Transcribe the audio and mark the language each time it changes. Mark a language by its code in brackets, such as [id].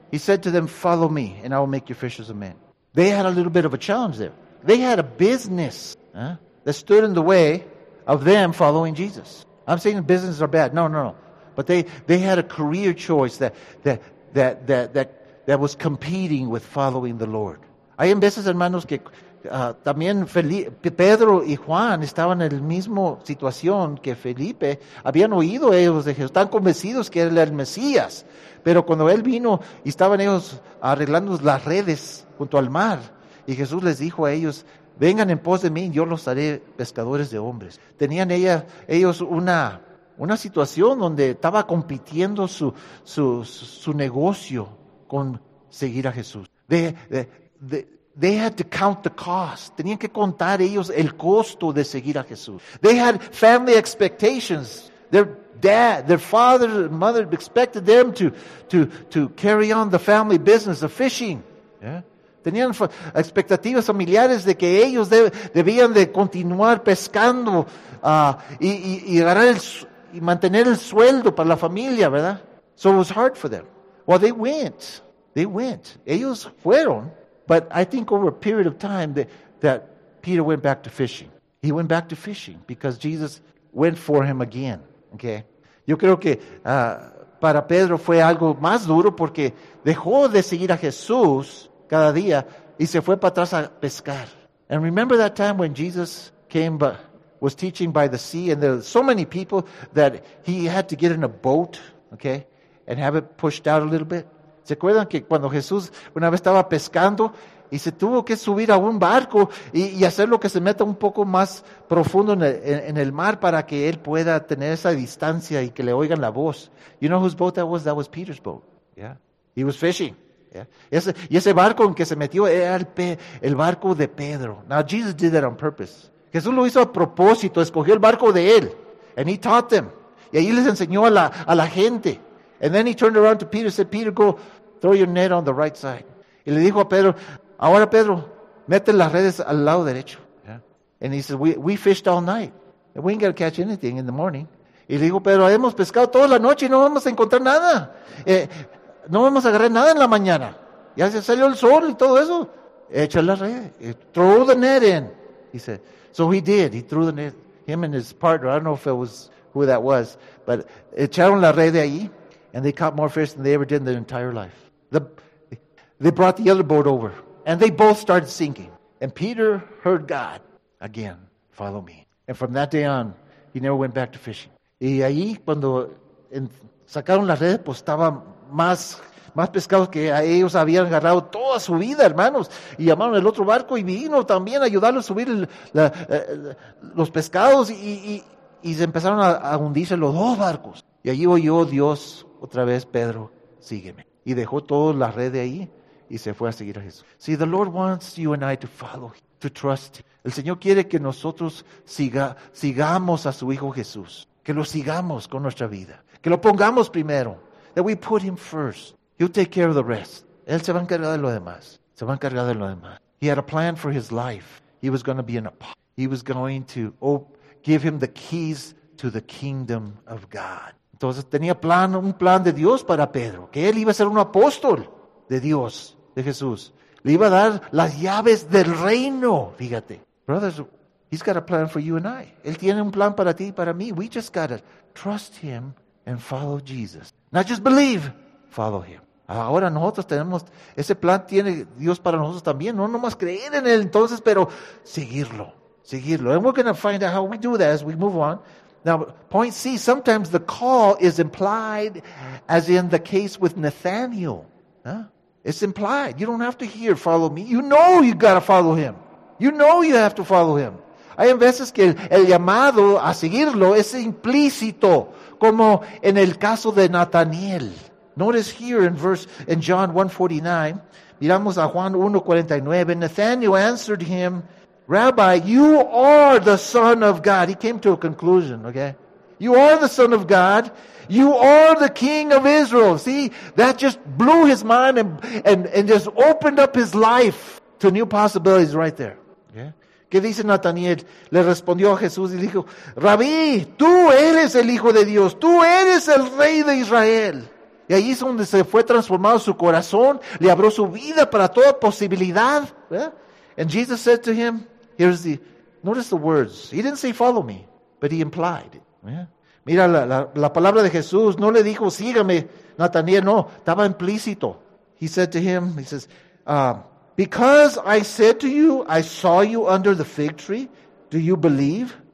[en] He said to them, follow me, and I will make you fishers of men. They had a little bit of a challenge there. They had a business that stood in the way of them following Jesus. I'm saying businesses are bad. No. But they had a career choice that was competing with following the Lord. [es] Hay en veces, hermanos, que también Pedro y Juan estaban en la misma situación que Felipe. Habían oído ellos de Jesús. Están convencidos que era el Mesías. Pero cuando él vino y estaban ellos arreglando las redes junto al mar, y Jesús les dijo a ellos, vengan en pos de mí, yo los haré pescadores de hombres. Tenían ellos una situación donde estaba compitiendo su negocio con seguir a Jesús. [en] They had to count the cost. [es] Tenían que contar ellos el costo de seguir a Jesús. [en] They had family expectations. Their dad, their father, their mother expected them to carry on the family business of fishing. Yeah. [es] Tenían expectativas familiares de que ellos debían de continuar pescando y mantener el sueldo para la familia, ¿verdad? [en] So it was hard for them. Well, they went. [es] Ellos fueron, [en] but I think over a period of time that Peter went back to fishing. He went back to fishing because Jesus went for him again. [es] Okay, yo creo que para Pedro fue algo más duro porque dejó de seguir a Jesús cada día y se fue para atrás a pescar. [en] And remember that time when Jesus came but was teaching by the sea, and there were so many people that he had to get in a boat, okay, and have it pushed out a little bit. [es] ¿Se acuerdan que cuando Jesús una vez estaba pescando y se tuvo que subir a un barco y hacerlo que se meta un poco más profundo en el mar para que él pueda tener esa distancia y que le oigan la voz? [en] You know whose boat that was? That was Peter's boat. Yeah. He was fishing. Yeah. [es] Y ese barco en que se metió era el barco de Pedro. [en] Now Jesus did that on purpose. [es] Jesús lo hizo a propósito, escogió el barco de él. [en] And he taught them. [es] Y ahí les enseñó a la gente. [en] And then he turned around to Peter and said, Peter, go throw your net on the right side. [es] Y le dijo a Pedro, Ahora Pedro, mete las redes al lado derecho. [en] Yeah. And he said, we fished all night. We ain't gonna catch anything in the morning. [es] Y le dijo, Pedro, hemos pescado toda la noche y no vamos a encontrar nada. No vamos a agarrar nada en la mañana. Ya se salió el sol y todo eso. Echa la red. [en] Throw the net in. He said, so he did. He threw the net. Him and his partner, I don't know if it was who that was, but [es] echaron la red de ahí, [en] and they caught more fish than they ever did in their entire life. They brought the other boat over, and they both started sinking. And Peter heard God again, follow me. And from that day on, he never went back to fishing. [es] Y ahí, cuando sacaron la red, pues estaba más pescados que ellos habían agarrado toda su vida, hermanos. Y llamaron el otro barco y vino también a ayudarlos a subir los pescados. Y se empezaron a hundirse los dos barcos. Y allí oyó Dios otra vez, Pedro, sígueme. Y dejó toda la red de ahí y se fue a seguir a Jesús. [en] See, the Lord wants you and I to follow, to trust. [es] El Señor quiere que nosotros sigamos a su Hijo Jesús. Que lo sigamos con nuestra vida. Que lo pongamos primero. [en] That we put him first. He'll take care of the rest. [es] Él se va a encargar de lo demás. Se va a encargar de lo demás. [en] He had a plan for his life. He was going to be an apostle. He was going to give him the keys to the kingdom of God. [es] Entonces tenía un plan de Dios para Pedro. Que él iba a ser un apóstol de Dios, de Jesús. Le iba a dar las llaves del reino. Fíjate. [en] Brothers, he's got a plan for you and I. [es] Él tiene un plan para ti y para mí. [en] We just got to trust him and follow Jesus. Not just believe. Follow him. [es] Ahora nosotros tenemos, ese plan tiene Dios para nosotros también. No nomás creer en él entonces, pero seguirlo. Seguirlo. [en] And we're going to find out how we do that as we move on. Now, point C, sometimes the call is implied, as in the case with Nathaniel. Huh? It's implied. You don't have to hear, follow me. You know you got to follow him. You know you have to follow him. [es] Hay veces que el llamado a seguirlo es implícito, como en el caso de Nathaniel. [en] Notice here in John 1:49, [es] miramos a Juan 1:49, [en] Nathaniel answered him, Rabbi, you are the Son of God. He came to a conclusion, okay? You are the Son of God. You are the King of Israel. See, that just blew his mind and just opened up his life to new possibilities right there. [es] Yeah. ¿Qué dice Nathaniel? Le respondió a Jesús y dijo, Rabí, tú eres el Hijo de Dios. Tú eres el Rey de Israel. Y ahí es donde se fue transformado su corazón, le abrió su vida para toda posibilidad. [en] Yeah? And Jesus said to him, notice the words. He didn't say follow me, but he implied it. Yeah? [es] Mira la palabra de Jesús, no le dijo sígame, Nathaniel, no, estaba implícito. [en] He said to him, because I said to you, I saw you under the fig tree, do you believe?